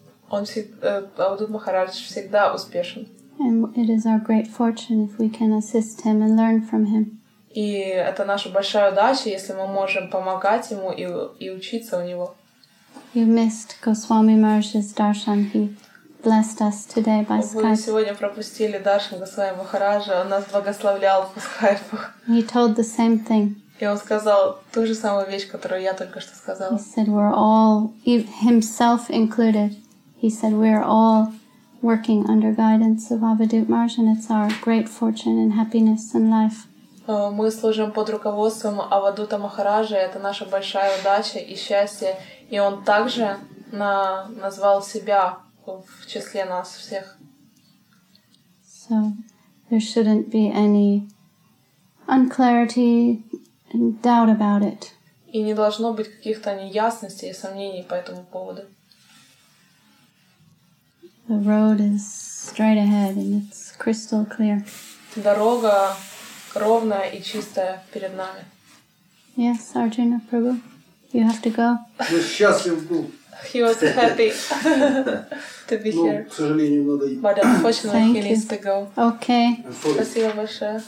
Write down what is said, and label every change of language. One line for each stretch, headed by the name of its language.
Russian: Он всегда, Авадут Махарадж всегда успешен.
English: And it is our great fortune if we can assist him and learn from him.
Russian: И это наша большая удача, если мы можем помогать ему и учиться у него.
English: You missed Goswami Maharaj's darshan. He blessed us today by Skype.
Russian: Вы сегодня пропустили даршан Госвами Махараджа. Он нас благословлял по Скайпу.
English: He told the same thing.
Russian: И он сказал ту же самую вещь, которую я только что сказала.
English: He said we're all, himself included. He said we're all working under guidance of Avadhut Maharaj, and it's our great fortune and happiness and life.
Russian: Мы служим под руководством Авадута Махараджа. Это наша большая удача и счастье. И он также назвал себя в числе нас всех.
English: So there shouldn't be any unclarity and doubt about it.
Russian: И не должно быть каких-то неясностей и сомнений по этому поводу.
English: The road is straight ahead and it's crystal clear.
Russian: Дорога ровная и чистая перед нами.
English: Yes, Arjuna Prabhu, you have to go.
Russian: Я счастлив был.
English: He was happy to be here.
Russian: Но, к сожалению, надо идти.
English: But unfortunately, he needs to go. Okay.
Russian: Спасибо большое.